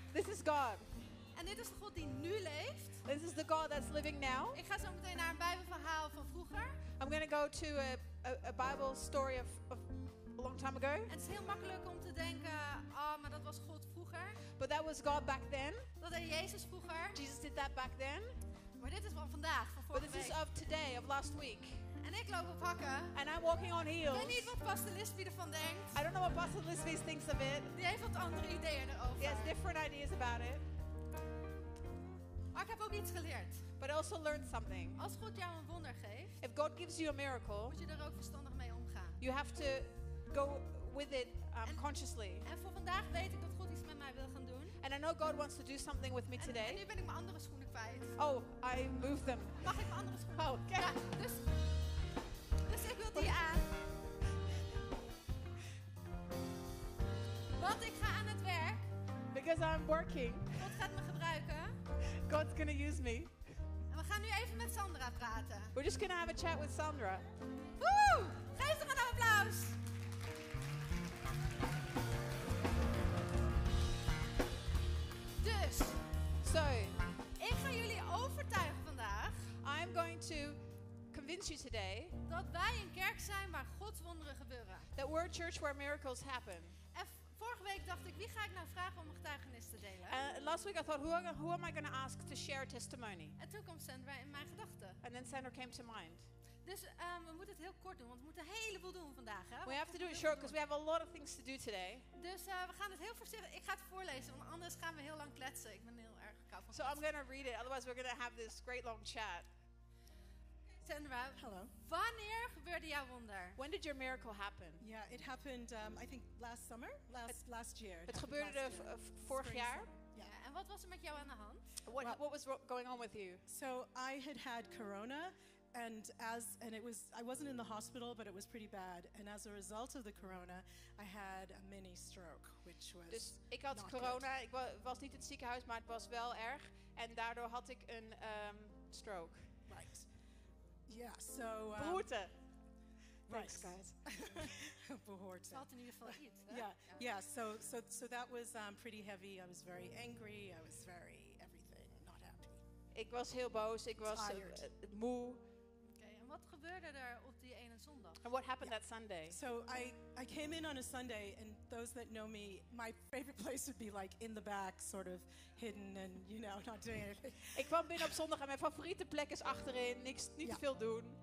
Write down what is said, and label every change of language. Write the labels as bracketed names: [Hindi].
[English] This is the God that's living now. [Dutch] Ik ga zo meteen naar een Bijbelverhaal van vroeger. [English] I'm going to go to a Bible story of a long time ago. [Dutch] En het is heel makkelijk om te denken, oh, maar dat was God vroeger. [English] But that was God back then. [Dutch] Dat deed Jezus vroeger. [English] Jesus did that back then. [Dutch] Maar dit is van vandaag, van vorige week. [English] But this is of today, of last week. [Dutch] En ik loop op hakken. [English] And I'm walking on heels. [Dutch] Ik weet niet wat Pastor Lisby ervan denkt. [English] I don't know what Pastor Lisby thinks of it. [Dutch] Die heeft wat andere ideeën erover. [English] He has different ideas about it. [Dutch] Maar ik heb ook iets geleerd. [English] But I also learned something. [Dutch] Als God jou een wonder geeft, [English] if God gives you a miracle, [Dutch] moet je er ook verstandig mee omgaan. [English] You have to go with it consciously. [Dutch] En voor vandaag weet ik dat God iets met mij wil gaan doen. [English] And I know God wants to do something with me today. [Dutch] En nu ben ik mijn andere schoenen kwijt. [English] Oh, I moved them. [Dutch] Mag ik mijn andere schoenen? [English] Oh, okay. [Dutch] Ja, dus ik wil die aan. Want ik ga aan het werk. [English] Because I'm working. [Dutch] God gaat me gebruiken. [English] God's gonna use me. [Dutch] En we gaan nu even met Sandra praten. [English] We're just gonna have a chat with Sandra. [Dutch] Woo! Geef ze een applaus. Dus. [English] So. [Dutch] Ik ga jullie overtuigen vandaag. [English] I'm going to convince you today. [Dutch] Dat wij een kerk zijn waar Gods wonderen gebeuren. [English] That we're a church where miracles happen. [Dutch] Vorige week dacht ik, wie ga ik nou vragen om een getuigenis te delen? [English] Last week I thought, who am I going to ask to share a testimony? [Dutch] En toen kwam Sandra in mijn gedachten. [English] And then Sandra came to mind. [Dutch] Dus we moeten het heel kort doen, want we moeten een heleboel doen vandaag. Hè? [English] We have to do it short, because we have a lot of things to do today. [Dutch] Dus we gaan het heel voorzichtig, ik ga het voorlezen, want anders gaan we heel lang kletsen. Ik ben heel erg koud van [English] So I'm going to read it, otherwise we're going to have this great long chat. Sandra, hello. [Dutch] Wanneer gebeurde jouw wonder? [English] When did your miracle happen? Yeah, it happened, I think, last summer, last year. [Dutch] Het gebeurde vorig jaar. [English] Yeah. [Dutch] En wat was er met jou aan de hand? [English] What was going on with you? So, I had corona, I wasn't in the hospital, but it was pretty bad. And as a result of the corona, I had a mini stroke, which was [Dutch] Dus ik had corona, ik was niet in het ziekenhuis, maar het was wel erg. En daardoor had ik een stroke. [English] Right. Yeah, so Broerte. Thanks, guys. Behoort. [Dutch] Het valt in ieder geval iets. [English] Yeah. So that was pretty heavy. I was very angry. I was very everything, not happy. [Dutch] Ik was heel boos. Ik was moe. Wat gebeurde er op die ene zondag? [English] And what happened that Sunday? So I came in on a Sunday, and those that know me, my favorite place would be like in the back, sort of hidden and, you know, not doing anything. [Dutch] Ik kwam binnen op zondag en mijn favoriete plek is achterin, niks, niet te veel doen.